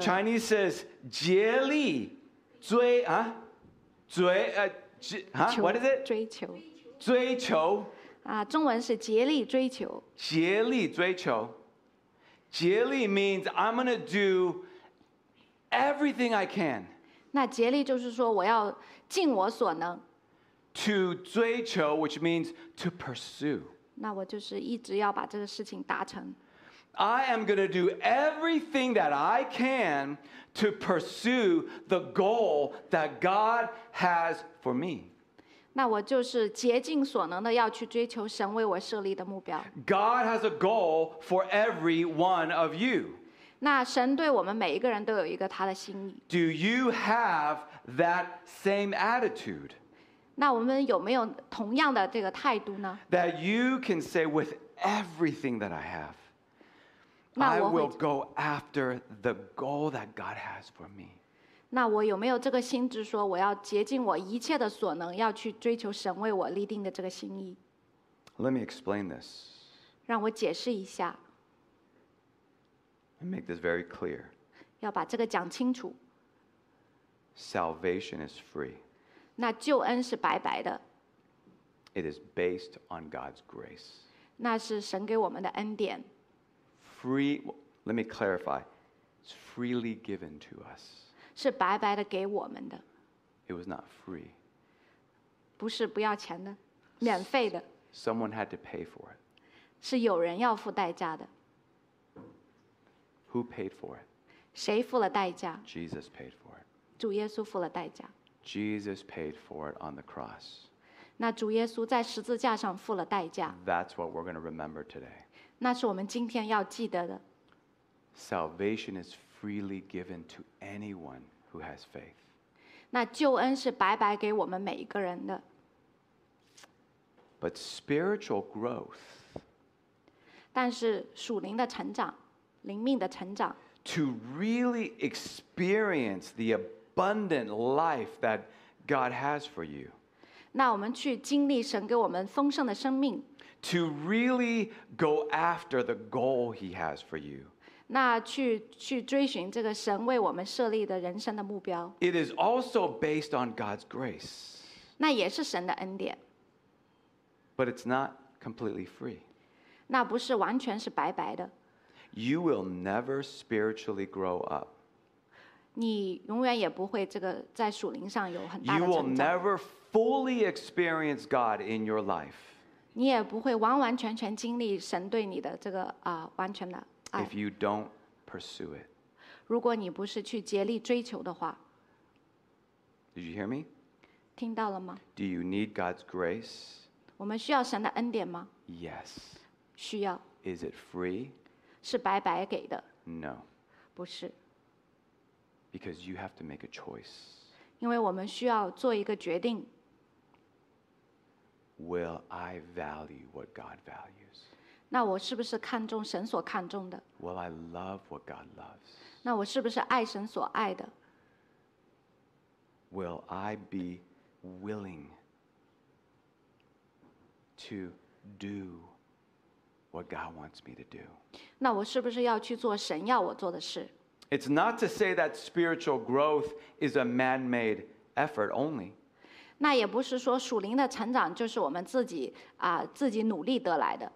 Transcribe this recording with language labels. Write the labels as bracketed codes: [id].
[en] The Chinese says, [zh] 竭力追啊，追啊，啊 [en] ，What is it? [zh] 追求。追求。啊，中文是竭力追求。竭力追求。 [en] 竭力 means I'm going to do everything I can. [zh] 那竭力就是说我要尽我所能。 [en] To 追求 which means to pursue. [zh] 那我就是一直要把这个事情达成。 [en] I am going to do everything that I can to pursue the goal that God has for me. [zh] 那我就是竭尽所能的要去追求神为我设立的目标。 [en] God has a goal for every one of you. [zh] 那神对我们每一个人都有一个他的心意。 [en] Do you have that same attitude? [zh] 那我们有没有同样的这个态度呢？ [en] That you can say with everything that I have. I will go after the goal that God has for me. [zh] 那我有没有这个心智说我要竭尽我一切的所能要去追求神为我立定的这个心意？ [en] Let me explain this. [zh] 让我解释一下。 [en] And make this very clear. [zh] 要把这个讲清楚。 [en] Salvation is free. [zh] 那救恩是白白的。 [en] It is based on God's grace. [zh] 那是神给我们的恩典。 [en] Free, let me clarify. It's freely given to us. [zh] 是白白的给我们的。 [en] It was not free. [zh] 不是不要钱的，免费的。 [en] Someone had to pay for it. [zh] 是有人要付代价的。 [en] Who paid for it? [zh] 谁付了代价？ [en] Jesus paid for it. [zh] 主耶稣付了代价。 [en] Jesus paid for it on the cross. [zh] 那主耶稣在十字架上付了代价。 [en] That's what we're going to remember today. [zh] 那是我们今天要记得的。 [en] Salvation is freely given to anyone who has faith. [zh] 那救恩是白白给我们每一个人的。 [en] But spiritual growth. [zh] 但是属灵的成长，灵命的成长。 [en] To really experience the abundant life that God has for you. [zh] 那我们去经历神给我们丰盛的生命。 [en] To really go after the goal he has for you. [zh] 那去追寻这个神为我们设立的人生的目标。 [en] It is also based on God's grace. [zh] 那也是神的恩典。 [en] But it's not completely free. [zh] 那不是完全是白白的。 [en] You will never spiritually grow up. [zh] 你永远也不会这个在属灵上有很大的成长。 [en] You will never fully experience God in your life. [zh] 你也不会完完全全经历神对你的这个完全的爱。 [en] If you don't pursue it, [zh] 如果你不是去竭力追求的话。 [en] Did you hear me? [zh] 听到了吗 [en] ？Do you need God's grace? [zh] 我们需要神的恩典吗 [en] ？Yes. [zh] 需要。 [en] Is it free? [zh] 是白白给的 [en] ？No. [zh] 不是。 [en] Because you have to make a choice. [zh] 因为我们需要做一个决定。 [en] Will I value what God values? [zh] 那我是不是看重神所看重的？ [en] Will I love what God loves? [zh] 那我是不是爱神所爱的？ [en] Will I be willing to do what God wants me to do? [zh] 那我是不是要去做神要我做的事？ [en] It's not to say that spiritual growth is a man-made effort only. [zh] 那也不是说属灵的成长就是我们自己自己努力得来的。